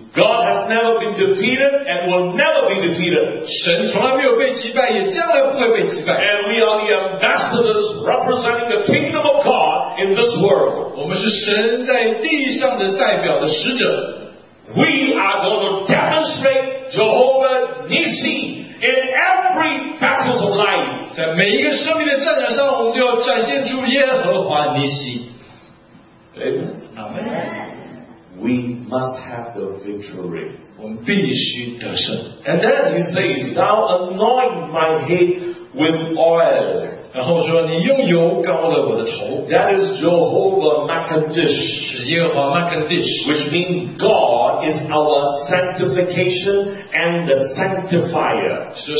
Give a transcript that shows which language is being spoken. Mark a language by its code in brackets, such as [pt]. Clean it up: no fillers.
[en] God has never been defeated and will never be defeated. [zh] 神从来没有被击败，也将来不会被击败。 [en] And we are the ambassadors representing the kingdom of God in this world. [zh] 我们是神在地上的代表的使者。 [en] We are going to demonstrate Jehovah Nissi in every battle of life. [zh] 在每一个生命的战场上，我们都要展现出耶和华尼西。 [en] Amen. Amen. We must have the victory. [zh] 我们必须得胜。 [en] And then he says, "Thou anoint my head with oil." [zh] 然后说，你用油膏了我的头。 [en] That is Jehovah Makkadish. [zh] 是耶和华 Makkadish. [en] Which means God is our sanctification and the sanctifier.